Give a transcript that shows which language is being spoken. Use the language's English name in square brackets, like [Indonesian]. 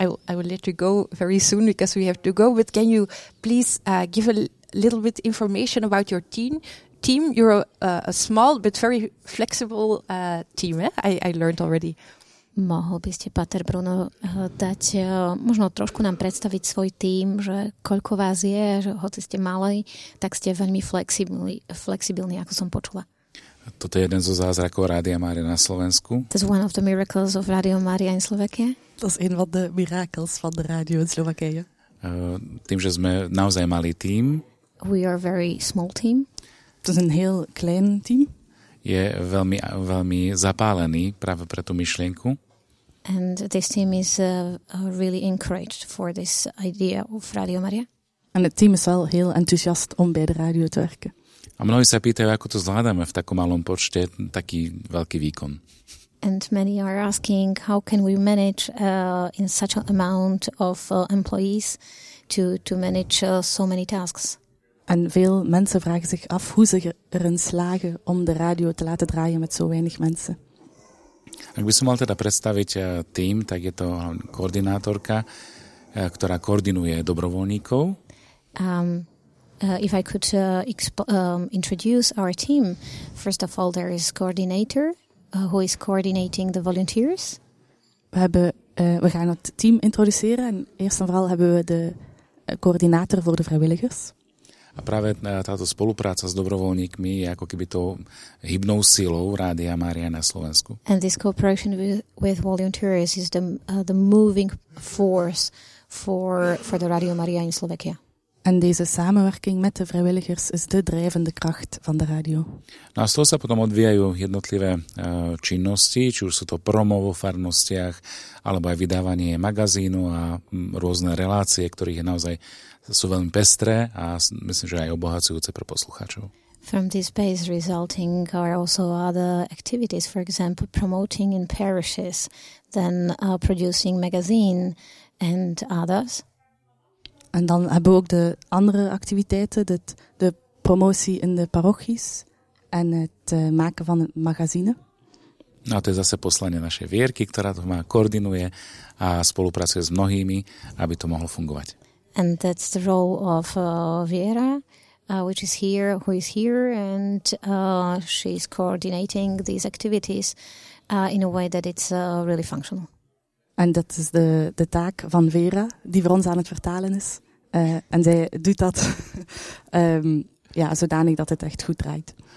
[English] I will let you go very soon because we have to go. But can you please give a little bit information about your team? You're a small but very flexible team, eh? I learned already. [Slovak] Mohol by ste, Pater Bruno, dať možno trošku nám predstaviť svoj tým, že koľko vás je, že hoci ste malej, tak ste veľmi flexibilní, ako som počula. Toto je jeden zo zázrakov Rádia Mária na Slovensku. [English] That's one of the miracles of Rádio Mária in Slovakia. [Slovak] To je jeden [Dutch] van de miracles van de radio in Slovakia. [Slovak] Tým, že sme naozaj malý tým. [English] We are a very small team. [Dutch] To je een heel klein team. [Slovak] Je veľmi, veľmi zapálený práve pre tú myšlienku. [English] And this team is really encouraged for this idea of Radio Maria. [Dutch] And the team is wel heel enthousiast om bij de radio te werken. [Slovak] A mnohí sa pýtajú, ako to zvládame v takom malom počte, taký veľký výkon. [English] And many are asking, how can we manage in such an amount of employees to manage so many tasks? [Dutch] En veel mensen vragen zich af hoe ze erin slagen om de radio te laten draaien met zo weinig mensen. [Slovak] Ak by som mal teda predstaviť tým, tak je to koordinátorka, ktorá koordinuje dobrovoľníkov. [English] If I could introduce our team, first of all, there is coordinator who is coordinating the volunteers. [Dutch] We gaan het team introduceren en eerst en vooral hebben we de coördinator voor de vrijwilligers. [Slovak] A práve táto spolupráca s dobrovoľníkmi je ako keby tou hybnou silou Rádia Mária na Slovensku. [English] And this cooperation with volunteers is the moving force for the Radio Maria in Slovakia. [Dutch] En deze samenwerking met de vrijwilligers is de drijvende kracht van de radio. [Slovak] Nou, z toho sa potom odvíjajú jednotlivé činnosti, či už sú to promo vo farnostiach, alebo aj vydávanie magazínu a rôzne relácie, ktorých je naozaj sú veľmi pestré a myslím, že aj obohacujúce pre poslucháčov. [English] From this base resulting are also other activities, for example, promoting in parishes, then producing magazine and others. [Dutch] En dan hebben we ook de andere activiteiten, de promotie in de parochies en het maken van het magazine. [Slovak] Nou, to je zase poslanie našej Vierky, ktorá to má koordinuje a spolupracuje s mnohými, aby to mohlo fungovať. [English] And that's the role of Viera, which is here, who is here, and she's coordinating these activities in a way that it's really functional. And that is the [Dutch] taak van Viera, die voor ons aan het vertalen is. En zij doet dat zodanig dat het echt goed draait.